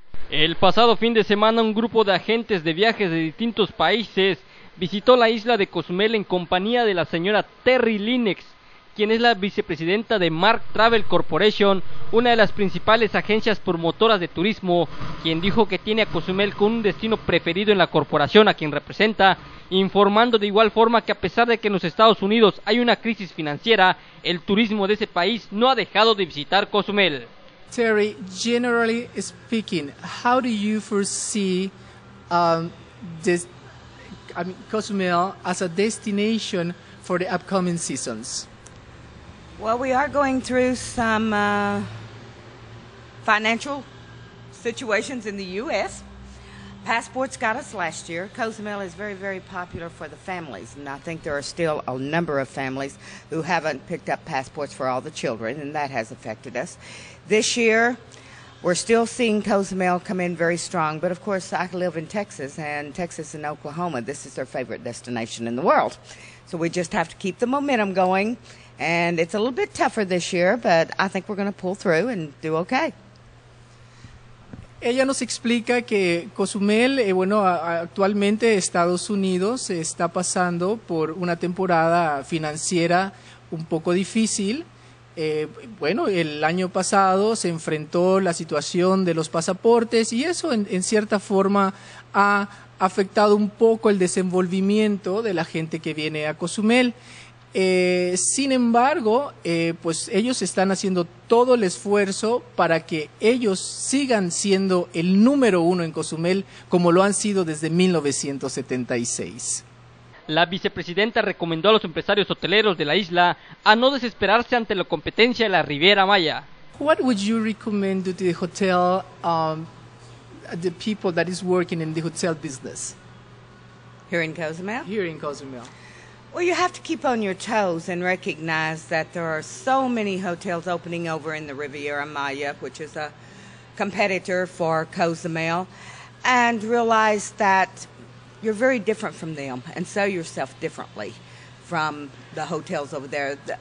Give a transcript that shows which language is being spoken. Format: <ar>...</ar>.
<es>El pasado fin de semana, un grupo de agentes de viajes de distintos países visitó la isla de Cozumel en compañía de la señora Terry Linex, quien es la vicepresidenta de Mark Travel Corporation, una de las principales agencias promotoras de turismo, quien dijo que tiene a Cozumel como un destino preferido en la corporación a quien representa, informando de igual forma que a pesar de que en los Estados Unidos hay una crisis financiera, el turismo de ese país no ha dejado de visitar Cozumel.</es> <en>Terry, generally speaking, how do you foresee Cozumel as a destination for the upcoming seasons? Well, we are going through some financial situations in the U.S. Passports got us last year. Cozumel is very, very popular for the families, and I think there are still a number of families who haven't picked up passports for all the children, and that has affected us. This year, we're still seeing Cozumel come in very strong, but of course, I live in Texas, and Texas and Oklahoma, this is their favorite destination in the world. So we just have to keep the momentum going, and it's a little bit tougher this year, but I think we're going to pull through and do okay.</en> <es>Ella nos explica que Cozumel, actualmente Estados Unidos está pasando por una temporada financiera un poco difícil. El año pasado se enfrentó la situación de los pasaportes y eso en cierta forma ha afectado un poco el desenvolvimiento de la gente que viene a Cozumel. Sin embargo, ellos están haciendo todo el esfuerzo para que ellos sigan siendo el número uno en Cozumel como lo han sido desde 1976. La vicepresidenta recomendó a los empresarios hoteleros de la isla a no desesperarse ante la competencia de la Riviera Maya.</es> <en>What would you recommend to the hotel, the people that is working in the hotel business? Here in Cozumel? Here in Cozumel. Well, you have to keep on your toes and recognize that there are so many hotels opening over in the Riviera Maya, which is a competitor for Cozumel, and realize that you're very different from them and sell yourself differently from the hotels over there.</en>